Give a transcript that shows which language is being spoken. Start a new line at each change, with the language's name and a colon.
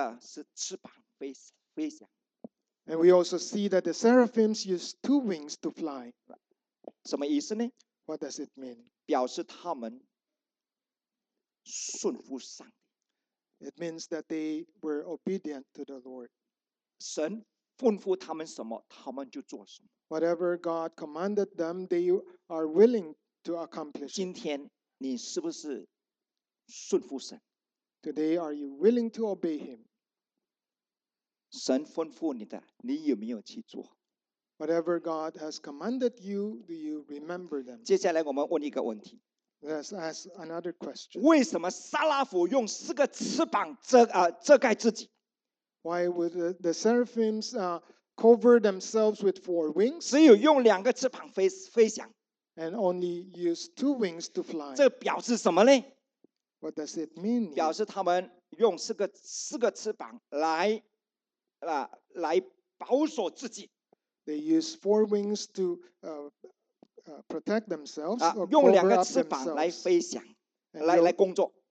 Chinese: 撒拉夫用两个翅膀飞翔。
English: And we also see that the seraphims use two wings to fly.
Chinese: 什么意思呢?
English: What does it mean?
Chinese: 表示他们顺服上帝。
English: It means that they were obedient to the Lord.
Chinese: 神吩咐他们什么,他们就做什么。
English: Whatever God commanded them, they are willing to accomplish.
Chinese: 今天你是不是顺服神?
English: Today, are you willing to obey him?
Chinese: 神吩咐你的, 你有没有去做?
English: Whatever God has commanded you, do you remember them?
Chinese: 接下来我们问一个问题。
English: Let's ask another question.
Chinese: 为什么撒拉夫用四个翅膀遮盖自己?
English: Why would the seraphims cover themselves with four wings?
Chinese: 只有用两个翅膀飞翔。
English: And only use two wings to fly.
Chinese: 这表示什么呢?
English: What does it mean?
Chinese: 表示他们用四个翅膀来保守自己。
English: They use four wings to protect themselves or cover up themselves.
Chinese: 用两个翅膀来飞翔，来工作。